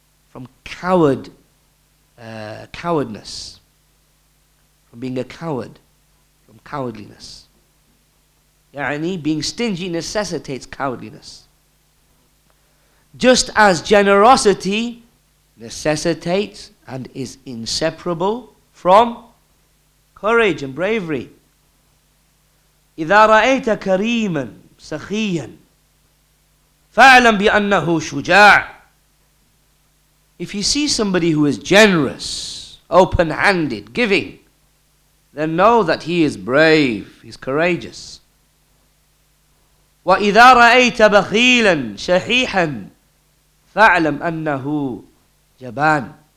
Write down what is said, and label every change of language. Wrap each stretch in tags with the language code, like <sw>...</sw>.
<en>From cowardness, from being a coward, from cowardliness. يعني being stingy necessitates cowardliness. Just as generosity necessitates and is inseparable from courage and bravery.</en> <ar>إذا رأيت كريما سخيا فاعلم بأنه شجاع</ar> <en>If you see somebody who is generous, open-handed, giving, then know that he is brave, he's courageous.</en> <ar>وَإِذَا رَأَيْتَ بَخِيلًا شَحِيحًا فَعْلَمْ أَنَّهُ جَبَانٌ.</ar>